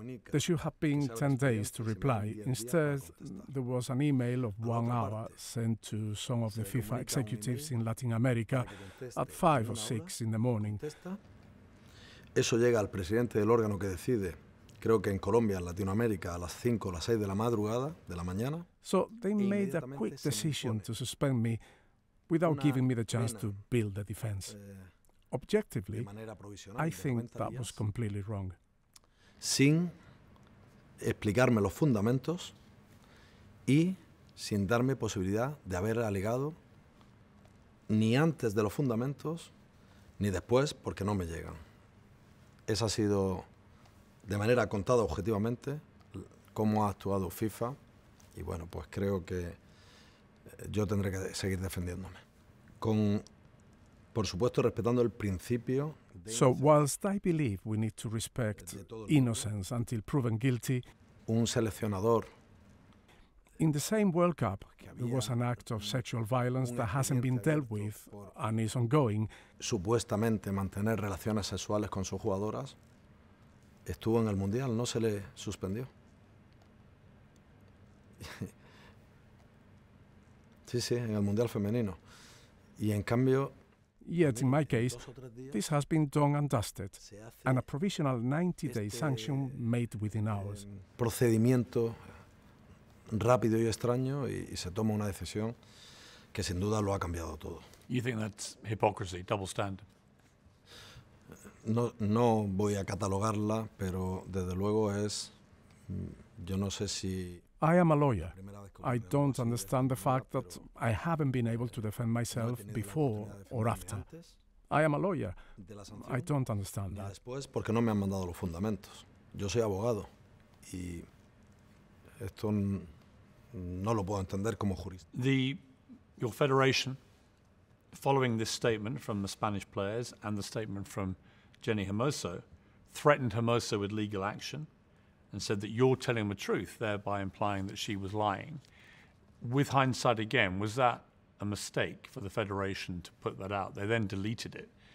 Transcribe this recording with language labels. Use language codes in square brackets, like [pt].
[en] There should have been 10 days to reply. Instead, there was an email of 1 hour sent to some of the FIFA executives in Latin America at 5 or 6 in the morning. [es] Eso llega al presidente del órgano que decide. Creo que en Colombia, en Latinoamérica, a las 5 o 6 de la madrugada, de la mañana. [en] So they made a quick decision to suspend me without giving me the chance to build the defense. Objectively, I think that was completely wrong. [es] Sin explicarme los fundamentos y sin darme posibilidad de haber alegado ni antes de los fundamentos ni después, porque no me llegan. Esa ha sido, de manera contada objetivamente, cómo ha actuado FIFA, y bueno, pues creo que yo tendré que seguir defendiéndome. Con, por supuesto, respetando el principio. [en] So, whilst I believe we need to respect innocence until proven guilty, [es] un seleccionador. [en] In the same World Cup, there was an act of sexual violence that hasn't been dealt with and is ongoing. [es] Supuestamente mantener relaciones sexuales con sus jugadoras, estuvo en el Mundial, no se le suspendió. Sí, en el Mundial femenino. Y en cambio, [en] Yet in my case, this has been done and dusted, and a provisional 90-day sanction made within hours. [es] Procedimiento rápido y extraño y se toma una decisión que sin duda lo ha cambiado todo. [en] You think that's hypocrisy, double standard? [es] No voy a catalogarla, pero desde luego es, yo no sé si... [en] I am a lawyer. I don't understand the fact that I haven't been able to defend myself before or after. I am a lawyer. I don't understand that. [es] Después, porque no me han mandado los fundamentos. Yo soy abogado y esto no lo puedo entender como jurista. [en] Your federation, following this statement from the Spanish players and the statement from Jenni Hermoso, threatened Hermoso with legal action and said that you're telling the truth, thereby implying that she was lying. With hindsight again, was that a mistake for the Federation to put that out? They then deleted it.